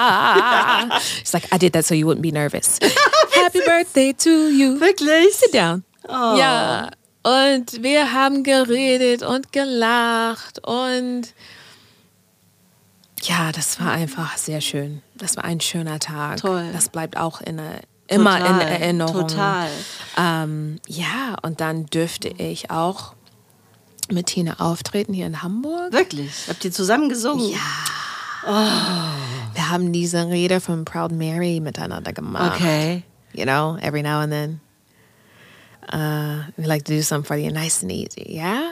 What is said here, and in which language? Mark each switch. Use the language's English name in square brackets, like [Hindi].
[English] She's like, I did that so you wouldn't be nervous. Happy Birthday to you. [German] Wirklich? [English] Sit down. Oh. [German] Ja. Und wir haben geredet und gelacht und ja, das war einfach sehr schön. Das war ein schöner Tag. Toll. Das bleibt auch immer in Erinnerung. Total. Ja, und dann dürfte ich auch mit Tina auftreten hier in Hamburg. Wirklich? Habt ihr zusammen gesungen? Ja. Oh. Wir haben diese Rede von Proud Mary miteinander gemacht. [English] Okay. You know, every now and then. We like to do something for you, nice and easy, yeah?